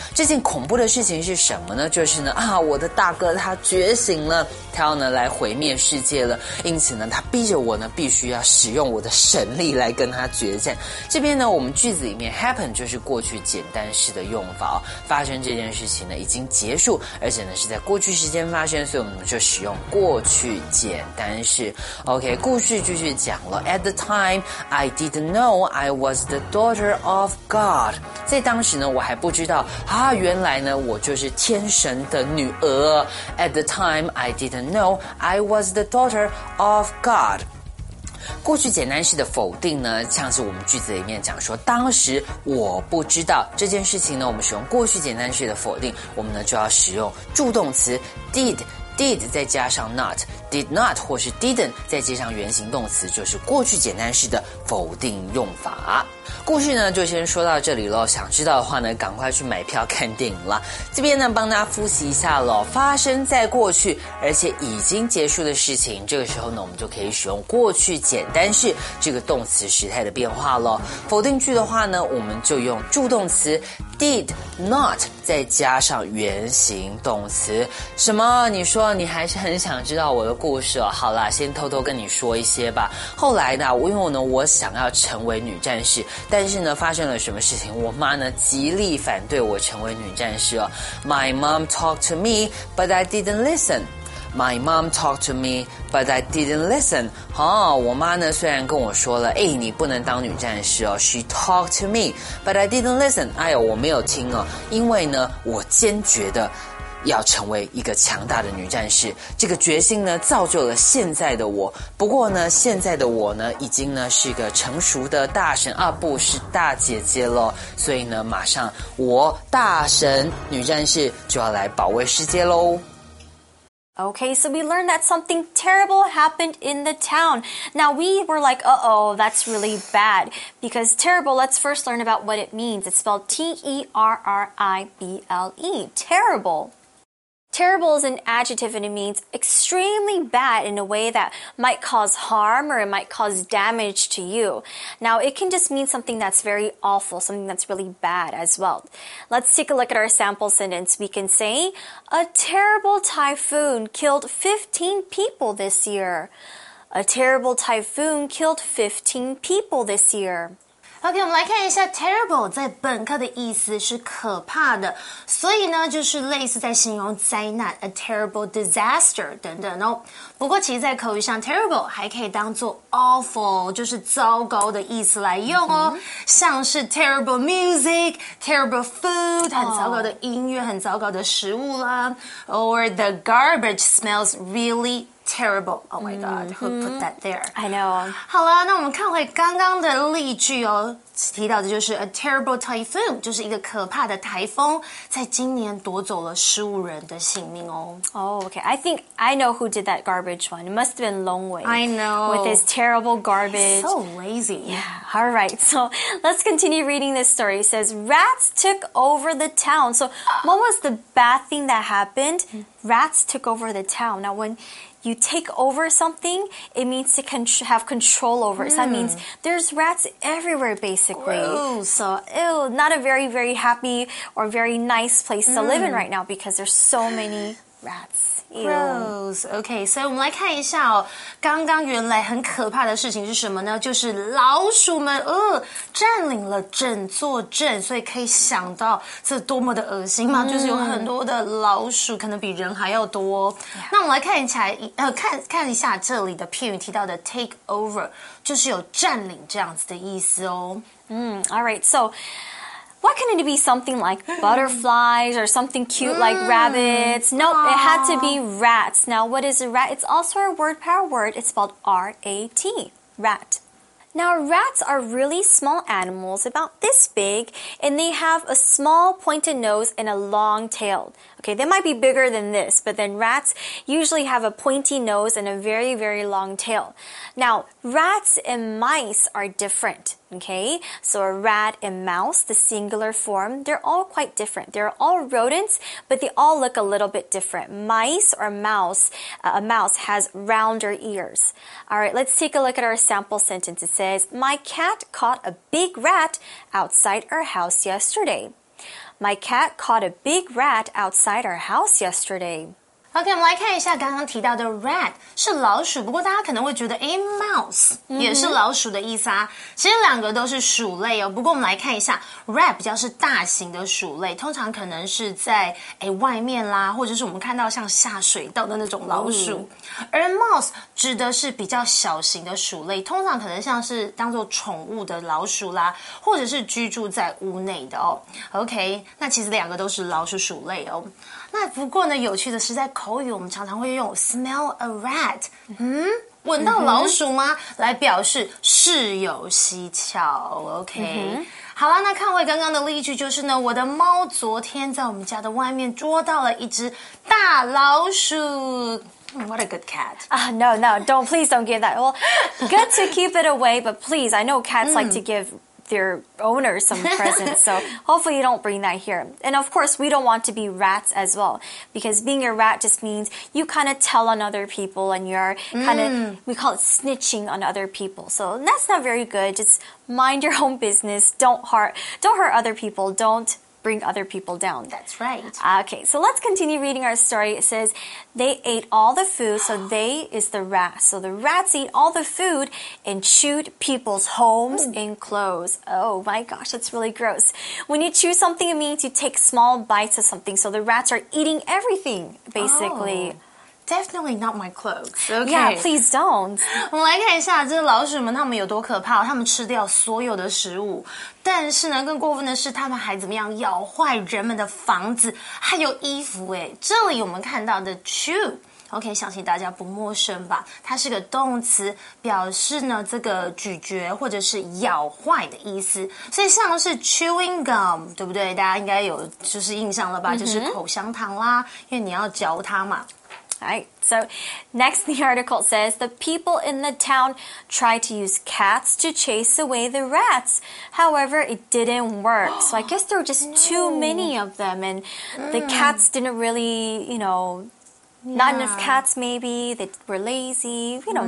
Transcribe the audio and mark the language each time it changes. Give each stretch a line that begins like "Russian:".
Chinese: 这件恐怖的事情是什么呢？就是呢我的大哥他觉醒了，他要呢来毁灭世界了，因此呢他逼着我呢必须要使用我的神力来跟他决战。这边呢我们句子里面 happen 就是过去简单式的用法，发生这件事情呢已经结束，而且呢是在过去时间发生，所以我们就使用过去简单式。 OK, 故事继续讲了。
English: At the time, I didn't know I was the daughter of God.
Chinese: 在当时呢我还不知道原来呢我就是天神的女儿。
English: At the time, I didn't know I was the daughter of God.
Chinese: 过去简单式的否定呢，像是我们句子里面讲说当时我不知道这件事情呢，我们使用过去简单式的否定，我们呢就要使用助动词 did,did 再加上 not, did not 或是 didn't 再接上原形动词，就是过去简单式的否定用法。故事呢就先说到这里咯，想知道的话呢赶快去买票看电影啦。这边呢帮大家复习一下咯，发生在过去而且已经结束的事情，这个时候呢我们就可以使用过去简单式这个动词时态的变化咯。否定句的话呢我们就用助动词 did not 再加上原形动词。什么？你说你还是很想知道我的故事哦？好啦，先偷偷跟你说一些吧。后来呢因为呢我想要成为女战士，但是呢发生了什么事情，我妈呢极力反对我成为女战士哦。
English: My mom talked to me but I didn't listen. My mom talked to me but I didn't listen.
Chinese: 我妈呢虽然跟我说了你不能当女战士哦。
English: She talked to me but I didn't listen.
Chinese: 我没有听哦，因为呢我坚决的要成为一个强大的女战士，这个决心呢造就了现在的我。不过呢现在的我呢已经呢是一个成熟的大神是大姐姐了，所以呢马上我大神女战士就要来保卫世界咯。
English: Okay, so we learned that something terrible happened in the town. Now we were like, that's really bad. Because terrible, let's first learn about what it means. It's spelled T-E-R-R-I-B-L-E, terrible. Terrible is an adjective and it means extremely bad in a way that might cause harm or it might cause damage to you. Now, it can just mean something that's very awful, something that's really bad as well. Let's take a look at our sample sentence. We can say, a terrible typhoon killed 15 people this year. A terrible typhoon killed 15 people this year.
Chinese: OK, 我们来看一下 terrible 在本课的意思是可怕的，所以呢就是类似在形容灾难
English: a terrible disaster
Chinese: 等等哦。不过其实在口语上 terrible 还可以当作 awful 就是糟糕的意思来用哦、mm-hmm. 像是
English: terrible music, terrible food
Chinese: 很糟糕的音乐、oh. 很糟糕的食物啦
English: or the garbage smells really terrible, oh my god,、
Chinese: mm-hmm.
English: who put that there? I know.
Chinese: 好啦，那我们看回刚刚的例句哦，提到的就是
English: a terrible typhoon,
Chinese: 就是一个可怕的台风，在今年夺走了15人的性命哦。
English: Oh, okay, I think I know who did that garbage one. It must have been Longwei. I know. With his terrible garbage. He's so lazy. Yeah, all right, so let's continue reading this story. It says, rats took over the town. So what was the bad thing that happened? Rats took over the town. Now whenYou take over something, it means to have control over it. So that means there's rats everywhere, basically. Gross. So, ew, not a very, very happy or very nice place to live in right now because there's so many rats. Ew. Gross. Okay, so
Chinese: 我们来看一下哦，刚刚原来很可怕的事情是什么呢？就是老鼠们，占领了整座镇，所以可以想到这多么的恶心嘛，就是有很多的老鼠，可能比人还要多。那我们来看一下，看一下这里的片语提到的 take over， 就是有占领这样子的意思哦。
English: All right, so. Why couldn't it be something like butterflies or something cute like rabbits? Nope, it had to be rats. Now, what is a rat? It's also a word power word. It's spelled R-A-T, rat. Now, rats are really small animals, about this big, and they have a small pointed nose and a long tail. Okay, they might be bigger than this, but then rats usually have a pointy nose and a very, very long tail. Now, rats and mice are different. Okay, so a rat and mouse, the singular form, they're all quite different. They're all rodents, but they all look a little bit different. Mice or mouse, a mouse has rounder ears. All right, let's take a look at our sample sentence. It says, my cat caught a big rat outside our house yesterday. My cat caught a big rat outside our house yesterday.
Chinese: OK, 我们来看一下刚刚提到的 rat 是老鼠，不过大家可能会觉得 mouse 也是老鼠的意思啊。其实两个都是鼠类哦，不过我们来看一下 rat 比较是大型的鼠类，通常可能是在外面啦，或者是我们看到像下水道的那种老鼠。而 mouse 指的是比较小型的鼠类，通常可能像是当作宠物的老鼠啦，或者是居住在屋内的哦。 OK, 那其实两个都是老鼠鼠类哦。那不过呢，有趣的是在口语我们常常会用
English: smell a rat,
Chinese: 闻到老鼠吗、mm-hmm. 来表示事有蹊跷 OK、mm-hmm. 好啦那看回刚刚的例句就是呢我的猫昨天在我们家的外面捉到了一只大老鼠
English: What a good cat. No, don't, please don't give that. Well, good to keep it away, but please, I know cats like to give... their owner some presents, so hopefully you don't bring that here. And of course, we don't want to be rats as well, because being a rat just means you kind of tell on other people and you're kind of, we call it snitching on other people. So that's not very good. Just mind your own business. Don't hurt other people. Don't bring other people down. That's right. Okay, so let's continue reading our story. It says, they ate all the food, so they is the rat. So the rats eat all the food and chewed people's homes and clothes. Oh my gosh, that's really gross. When you chew something, it means you take small bites of something. So the rats are eating everything, basically. Oh. Definitely not my clothes. Okay. Yeah, please don't.
Chinese: 我们来看一下这老鼠们他们有多可怕，他们吃掉所有的食物，但是呢，更过分的是他们还怎么样咬坏人们的房子，还有衣服。哎，这里我们看到的 chew。OK, 相信大家不陌生吧。它是个动词表示呢这个咀嚼或者是咬坏的意思。所以像是 chewing gum, 对不对大家应该有就是印象了吧、mm-hmm. 就是口香糖啦因为你要嚼它嘛。
English: Right. So next, the article says the people in the town tried to use cats to chase away the rats. However, it didn't work. So I guess there were just too many of them and the cats didn't really, you know... Yeah. Not enough cats, maybe. They were lazy. We don't